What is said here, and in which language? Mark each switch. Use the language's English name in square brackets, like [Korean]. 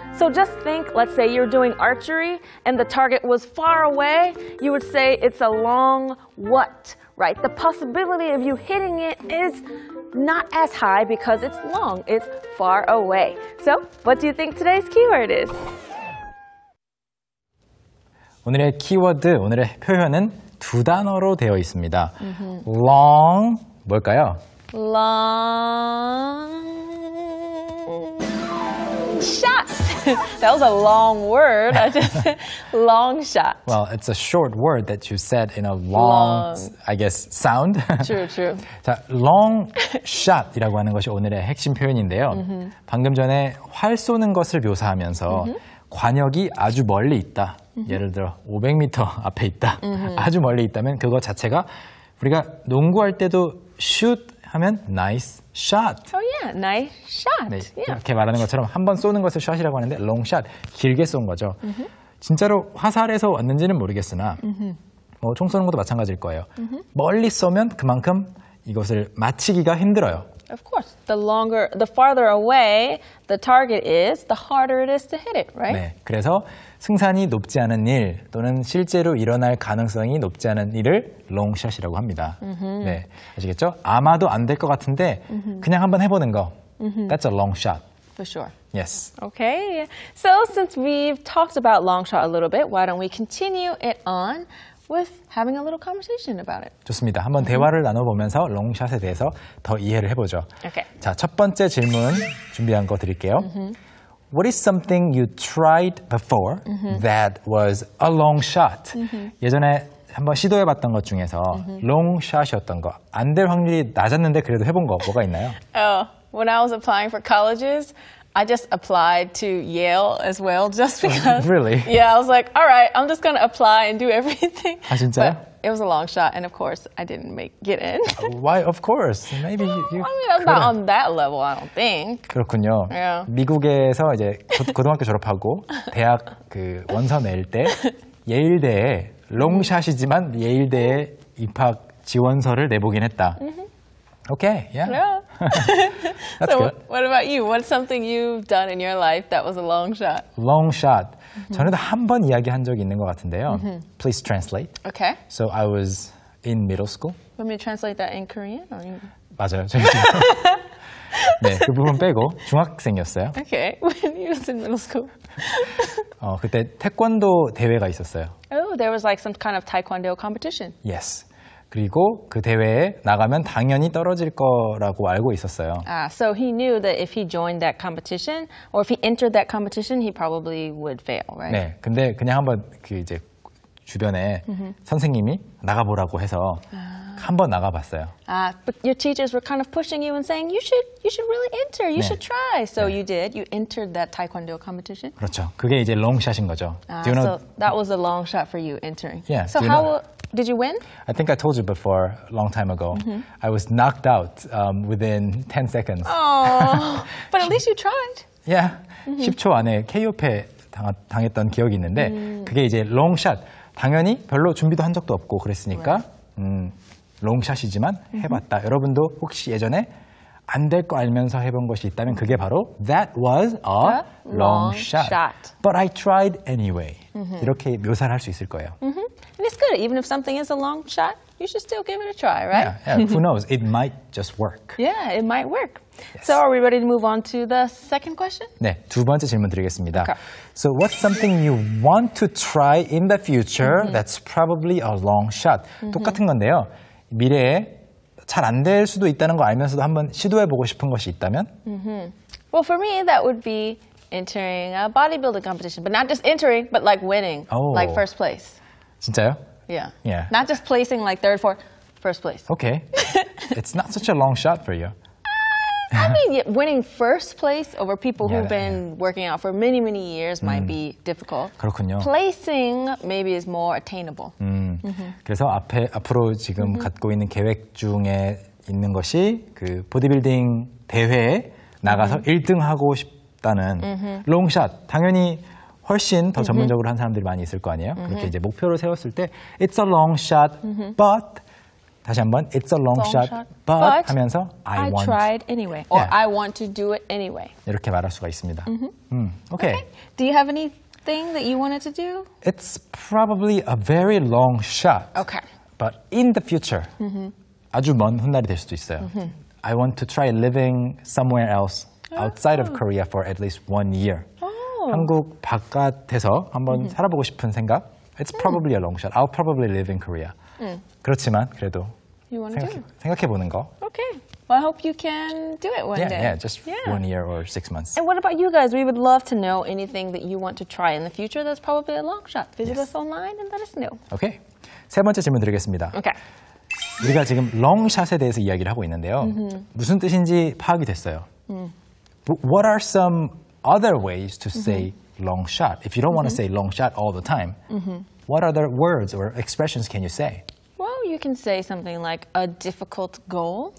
[English] So just think, let's say you're doing archery and the target was far away, you would say it's a long what, right? The possibility of you hitting it is not as high because it's long, it's far away. So, what do you think today's keyword is? [Korean] 오늘의 키워드, 오늘의 표현은 두 단어로 되어 있습니다. Long, 뭘까요? [English] Long shot. That was a long word. I just long shot. Well, it's a short word that you said in a long, I guess, sound. True, true. [Korean] 자, long shot이라고 하는 것이 오늘의 핵심 표현인데요. Mm-hmm. 방금 전에 활 쏘는 것을 묘사하면서 mm-hmm. 관역이 아주 멀리 있다. Mm-hmm. 예를 들어 500m 앞에 있다. Mm-hmm. 아주 멀리 있다면 그거 자체가 우리가 농구할 때도 shoot 하면 nice shot. [English] Oh yeah, nice shot. [Korean] 네, [English] yeah. [Korean] 이렇게 말하는 것처럼 한 번 쏘는 것을 shot이라고 하는데 long shot, 길게 쏜 거죠. Mm-hmm. 진짜로 화살에서 왔는지는 모르겠으나 mm-hmm. 뭐 총 쏘는 것도 마찬가지일 거예요. Mm-hmm. 멀리 쏘면 그만큼 이것을 맞히기가 힘들어요. [English] Of course, the longer, the farther away the target is, the harder it is to hit it, right? [Korean] 네, 그래서 승산이 높지 않은 일 또는 실제로 일어날 가능성이 높지 않은 일을 롱샷이라고 합니다. Mm-hmm. 네, 아시겠죠? 아마도 안 될 것 같은데 mm-hmm. 그냥 한번 해보는 거. Mm-hmm. [English] That's a long shot. For sure. Yes. Okay. So since we've talked about long shot a little bit, why don't we continue it on with having a little conversation about it? [Korean] 좋습니다. 한번 mm-hmm. 대화를 나눠보면서 long shot에 대해서 더 이해를 해보죠. [English] Okay. [Korean] 자, 첫 번째 질문 준비한 거 드릴게요. Mm-hmm. [English] What is something you tried before mm-hmm. that was a long shot? Mm-hmm. [Korean] 예전에 한번 시도해봤던 것 중에서 [English] mm-hmm. [Korean] long shot이었던 거, 안 될 확률이 낮았는데 그래도 해본 거 뭐가 있나요? [English] Oh, when I was applying for colleges, I just applied to Yale as well just because... Really? Yeah, I was like, all right, I'm just going to apply and do everything. [Korean] 아, 진짜요? [English] But it was a long shot, and of course, I didn't get in. Why, of course? Maybe you I mean, I'm not on that level, I don't think. [Korean] 그렇군요. [English] Yeah. [Korean] 미국에서 이제 고등학교 졸업하고 대학 그 원서 낼 때 예일대에 long shot이지만 예일대에 입학 지원서를 내보긴 했다. [English] Okay, yeah. Yeah. That's so good. What about you? What's something you've done in your life that was a long shot? Long shot. Mm-hmm. [Korean] 저는 한 번 이야기한 적이 있는 것 같은데요. [English] Mm-hmm. Please translate. Okay. So I was in middle school. Want me to translate that in Korean? Or in... [Korean] 맞아요. 네, 그 부분 빼고 중학생이었어요. [English] Okay, when you was in middle school. [Korean] 어, 그때 태권도 대회가 있었어요. [English] Oh, there was like some kind of taekwondo competition. Yes. [Korean] 그리고 그 대회에 나가면 당연히 떨어질 거라고 알고 있었어요. [English] Ah, so he knew that if he joined that competition or if he entered that competition, he probably would fail, right? [Korean] 네, 근데 그냥 한번 그 이제 주변에 mm-hmm. 선생님이 나가보라고 해서 아. 한번 나가봤어요. [English] 아, but your teachers were kind of pushing you and saying you should really enter, you 네. should try. So 네. you did. You entered that Taekwondo competition. [Korean] 그렇죠. 그게 이제 롱샷인 거죠. [English] 아, do you know? So that was a long shot for you entering. Yeah. So how did you win? I think I told you before, a long time ago. Mm-hmm. I was knocked out within 10 seconds. Oh, but at least you tried. Yeah. Mm-hmm. [Korean] 10초 안에 KO패 당했던 기억이 있는데 그게 이제 롱샷. 당연히 별로 준비도 한 적도 없고 그랬으니까 롱샷이지만 해봤다. Mm-hmm. 여러분도 혹시 예전에 안 될 거 알면서 해본 것이 있다면 그게 바로 [English] That was a long shot. But I tried anyway. Mm-hmm. 이렇게 묘사를 할 수 있을 거예요. Mm-hmm. And it's good. Even if something is a long shot, you should still give it a try, right? Yeah, yeah. Who knows? It might just work. Yeah, it might work. Yes. So are we ready to move on to the second question? [Korean] 네, 두 번째 질문 드리겠습니다. [English] Okay. So what's something you want to try in the future mm-hmm. that's probably a long shot? Mm-hmm. [Korean] 똑같은 건데요. 미래에 잘 안 될 수도 있다는 거 알면서도 한번 시도해 보고 싶은 것이 있다면? Mm-hmm. [English] Well, for me, that would be entering a bodybuilding competition. But not just entering, but like winning, oh. like first place. [Korean] 진짜요? [English] Yeah. yeah. Not just placing like third, fourth, first place. Okay. It's not such a long shot for you. I mean, yeah, winning first place over people yeah, who've been yeah. working out for many, many years might be difficult. [Korean] 그렇군요. [English] Placing maybe is more attainable. [Korean] Mm-hmm. 그래서 앞으로 지금 mm-hmm. 갖고 있는 계획 중에 있는 것이 그 보디빌딩 대회에 나가서 mm-hmm. 1등하고 싶다는 mm-hmm. 롱샷. 당연히 훨씬 더 전문적으로 mm-hmm. 한 사람들이 많이 있을 거 아니에요? Mm-hmm. 그렇게 이제 목표를 세웠을 때 [English] It's a long shot, mm-hmm. but [Korean] 다시 한번 [English] It's a long shot, but [Korean] 하면서 [English] I tried anyway, or yeah. I want to do it anyway. [Korean] 이렇게 말할 수가 있습니다. Mm-hmm. [English] Okay. okay. Do you have anything that you wanted to do? It's probably a very long shot. Okay. But in the future, mm-hmm. [Korean] 아주 먼 훗날이 될 수도 있어요. Mm-hmm. [English] I want to try living somewhere else outside of Korea for at least 1 year. [Korean] 한국 바깥에서 한번 mm-hmm. 살아보고 싶은 생각. [English] It's probably a long shot. I'll probably live in Korea. [Korean] 그렇지만 그래도 [English] you wanna [Korean] 생각해보는 거. [English] Okay. Well, I hope you can do it one yeah, day. Yeah, just yeah. 1 year or 6 months. And what about you guys? We would love to know anything that you want to try in the future that's probably a long shot. Visit yes. us online and let us know. Okay. [Korean] 세 번째 질문 드리겠습니다. [English] Okay. [Korean] 우리가 지금 long shot에 대해서 이야기를 하고 있는데요. Mm-hmm. 무슨 뜻인지 파악이 됐어요. Mm. [English] But what are some other ways to say mm-hmm. long shot. If you don't mm-hmm. want to say long shot all the time, mm-hmm. what other words or expressions can you say? Well, you can say something like a difficult goal.